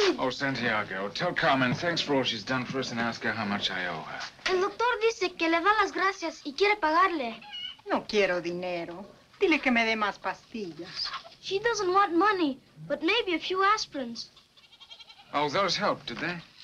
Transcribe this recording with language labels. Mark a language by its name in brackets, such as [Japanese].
[English] Santiago, tell Carmen thanks for all she's done for us and ask her how much I owe her. [Spanish] El doctor dice que le da las gracias y quiere pagarle. No quiero dinero. Dile que me dé más pastillas. [English] She doesn't want money, but maybe a few aspirins. Oh, those helped, did they?